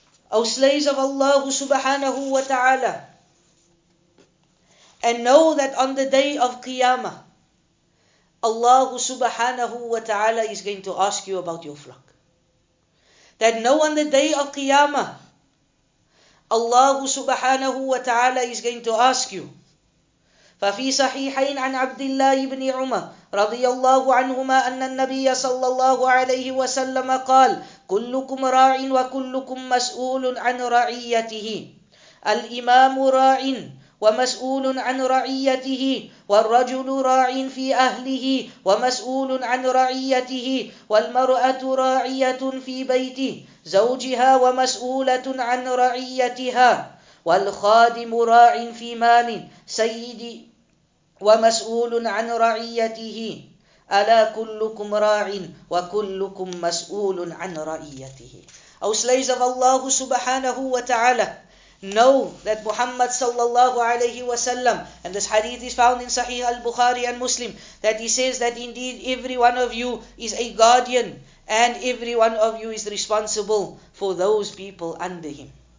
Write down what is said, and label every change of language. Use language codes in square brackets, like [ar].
[en] O slaves of Allah subhanahu wa ta'ala, and know that on the day of Qiyamah, Allah subhanahu wa ta'ala is going to ask you about your flock. That know on the day of Qiyamah, Allah subhanahu wa ta'ala is going to ask you. [ar] ففي صحيحين عن عبد الله بن عمر رضي الله عنهما أن النبي صلى الله عليه وسلم قال كلكم راع وكلكم مسؤول عن رعيته الإمام راع ومسؤول عن رعيته والرجل راع في أهله ومسؤول عن رعيته والمرأة راعية في بيته زوجها ومسؤولة عن رعيتها والخادم راع في مال سيدي ومسؤول عن رعيته ألا كلكم راع وكلكم مسؤول عن رعيته. [en] O slaves of Allah subhanahu wa ta'ala, know that Muhammad sallallahu alayhi wa sallam, and this hadith is found in Sahih al-Bukhari and Muslim, that he says that indeed every one of you is a guardian and every one of you is responsible for those people under him.